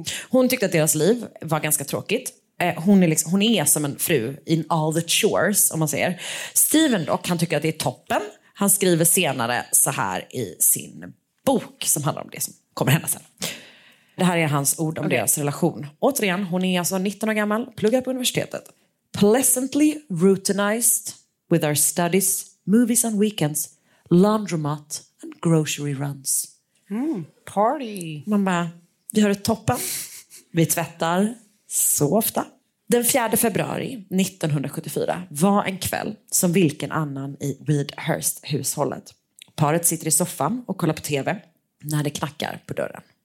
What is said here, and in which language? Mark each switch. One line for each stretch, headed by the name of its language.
Swedish: Hon tyckte att deras liv var ganska tråkigt. Hon är som en fru
English: in all the chores,
Swedish: om man säger. Steven dock, han tycker att det är toppen. Han skriver senare så här i sin bok som handlar om det som kommer hända sen. Det här är hans ord om deras relation. Återigen, hon är alltså 19 år gammal, pluggar på universitetet.
English: Pleasantly routinized with our studies, movies on weekends, laundromat and grocery runs.
Swedish: Mm, party. Man bara, vi har ett toppen. Vi tvättar så ofta. Den 4 februari 1974 var en kväll som vilken annan i Weedhurst-hushållet. Paret sitter i soffan och kollar på tv när det knackar på dörren.